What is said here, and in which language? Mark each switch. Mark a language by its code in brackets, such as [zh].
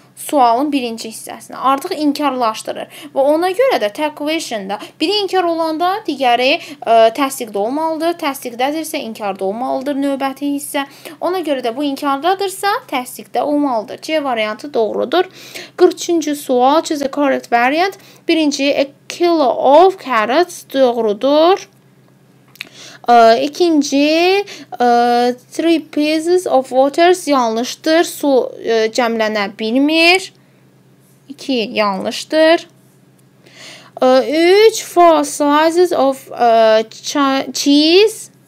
[az] Sualın birinci hissəsini artıq inkarlaşdırır və ona görə də tag question-da biri inkar olanda digəri təsdiqdə olmalıdır, təsdiqdədirsə inkarda olmalıdır növbəti hissə. Ona görə də bu inkardadırsa təsdiqdə olmalıdır. C variantı doğrudur. 43-cü sual, [en] choose the correct variant. [az] Birinci, [en] a kilo of carrots [az] doğrudur. İkinci, three pieces of water yanlışdır, su cəmlənə bilmir. İki, yanlışdır. [en] 3 4 slices of cheese.